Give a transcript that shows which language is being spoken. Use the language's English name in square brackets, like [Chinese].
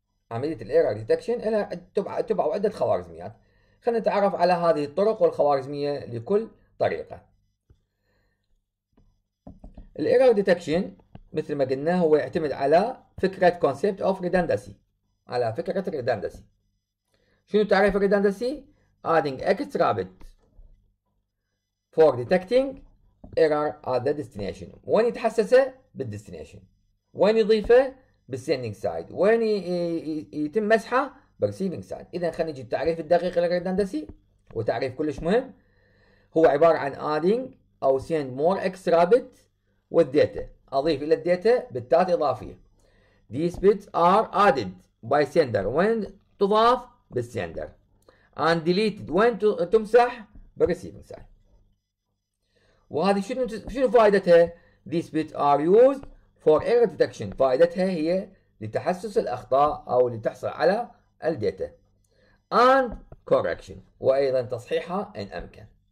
[Arabic] عملية الايرور ديتكشن لها تبع عدة خوارزميات. خلينا نتعرف على هذه الطرق والخوارزمية لكل طريقة. الايرور ديتكشن مثل ما قلنا هو يعتمد على فكرة [English] concept of redundancy، [Arabic] على فكرة redundancy. شنو تعريف [English] redundancy؟ adding extra bit for detecting error at the destination. [Arabic] وين يتحسسه؟ بالdestination. وين يضيفه؟ بالsending side. وين يتم مسحه؟ بالreceiving side. إذا خلينا نجي التعريف الدقيق للredundancy، وتعريف كلش مهم، هو عبارة عن adding أو [English] send more extra bit with data، [Arabic] أضيف إلى الداتا بتات إضافية. [English] These bits are added by sender، [Arabic] وين تضاف؟ بالسندر. [English] And deleted، [Arabic] وين تمسح؟ بالreceiving side. وهذه شنو فائدتها؟ [English] These bits are used for error detection، [Arabic] فائدتها هي لتحسس الأخطاء أو لتحصل على الداتا. [English] And correction، [Arabic] وأيضا تصحيحها إن أمكن.